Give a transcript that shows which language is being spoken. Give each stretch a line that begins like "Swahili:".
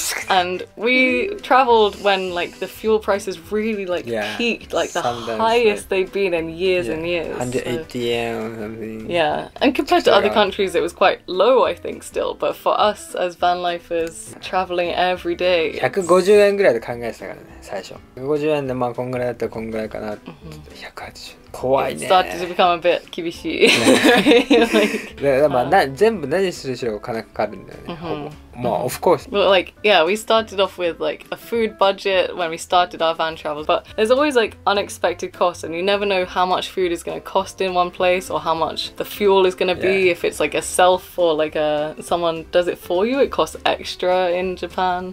English: And we traveled when like the fuel prices really like peaked, like the highest like, they'd been in years and years. 180 yen or something. Yeah, and compared to other countries, it was quite low, I think, still. But for us as van lifers, traveling every day.
Japanese: 150 yen ぐらいで考えてたからね、最初。150円でまあこんぐらいだったらこんぐらいかな。 180。 怖いね。
English: Started to become a bit
Japanese: 厳しい。で、まあ全部何するしろ金かかるんだよね。
English: まあ、of course. But like, yeah, we started off with like a food budget when we started our van travels. But there's always like unexpected costs, and you never know how much food is going to cost in one place or how much the fuel is going to be. If it's like a self or like a someone does it for you, it costs extra in Japan.